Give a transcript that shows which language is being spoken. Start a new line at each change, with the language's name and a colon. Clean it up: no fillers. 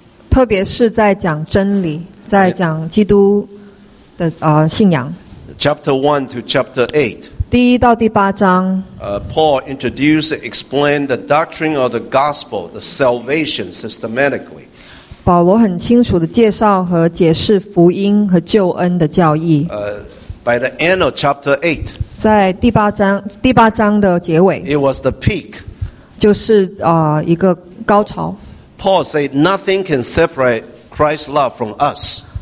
Chinese: 特别是在讲真理，在讲基督的信仰。
English: Chapter 1 to chapter 8.
Chinese: 第一到第八章。
English: Paul introduced and explained the doctrine of the gospel, the salvation systematically.
Chinese: 保罗很清楚地介绍和解释福音和救恩的教义。
English: By the end of chapter 8,
Chinese: 在第八章的结尾，
English: it was the peak,
Chinese: 就是一个高潮。
English: Paul said nothing can separate Christ's love from us.